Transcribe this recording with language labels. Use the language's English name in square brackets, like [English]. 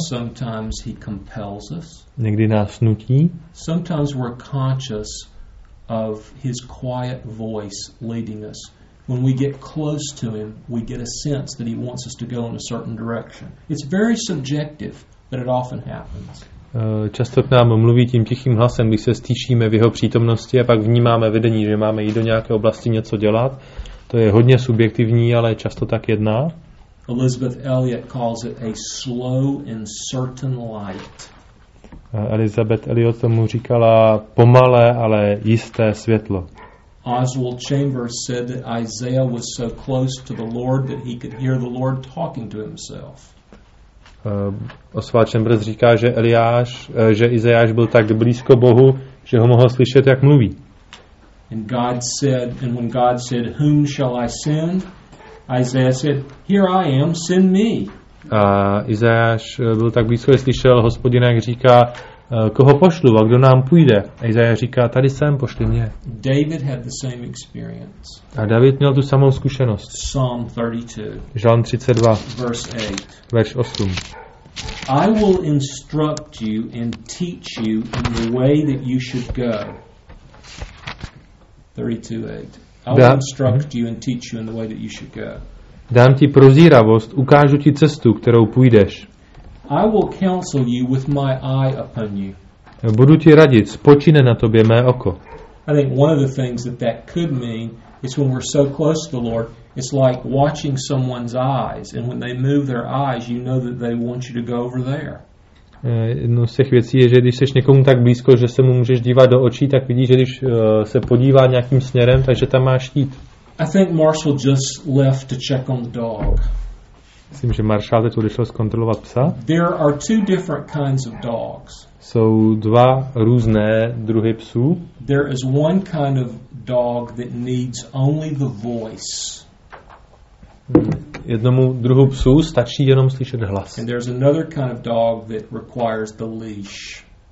[English] Sometimes he compels us. [Czech] Někdy nás nutí. [English] Sometimes we're conscious of his quiet voice leading us. When we get close to him, we get a sense that he wants us to go in a certain direction. It's very subjective, but it often happens. [Czech] Často k nám mluví tím tichým hlasem, když se stýšíme v jeho přítomnosti a pak vnímáme vedení, že máme jít do nějaké oblasti něco dělat. To je hodně subjektivní, ale často tak jedná. [English] Elizabeth Elliot calls it a slow and certain light. [Czech] Elizabeth Elliot tomu říkala pomalé, ale jisté světlo. [English] Oswald Chambers said that Isaiah was so close to the Lord that he could hear the Lord talking to himself. [Czech] Oswald Chambers říká, že Eliáš, že Izajáš byl tak blízko Bohu, že ho mohl slyšet, jak mluví. [English] And God said, and when God said, whom shall I send? Isaiah said, here I am, send me. [Czech] A Izajáš byl tak blízko, že slyšel Hospodina, jak říká, koho pošlu a kdo nám půjde. A Izajáš říká, tady jsem, pošli mě. [English] David had the same experience. [Czech] A David měl tu samou zkušenost. [English] Psalm 32. [Czech] Žalm 32. [English] Verse 8. [Czech] Verš 8. [English] I will instruct you and teach you in the way that you should go. 32:8. I will instruct you and teach you in the way that you should go. [Czech] Dám ti prozíravost, ukážu ti cestu, kterou půjdeš. [English] I will counsel you with my eye upon you. [Czech] Budu ti radit, spočine na tobě mé oko. [English] I think one of the things that that could mean is when we're so close to the Lord, it's like watching someone's eyes, and when they move their eyes, you know that they want you to go over there. [Czech] Jedno z těch věcí je, že když seš někomu tak blízko, že se mu můžeš dívat do očí, tak vidíš, že když se podívá nějakým směrem, takže tam máš jít. [English] I think Marshall just left to check on the dog. [Czech] Myslím, že Marshall teď odešel zkontrolovat psa. [English] There are two different kinds of dogs. [Czech] Jsou dva různé druhy psů. [English] There is one kind of dog that needs only the voice. [Czech] Jednomu druhu psu stačí jenom slyšet hlas. [English] And there's another kind of dog that requires the leash.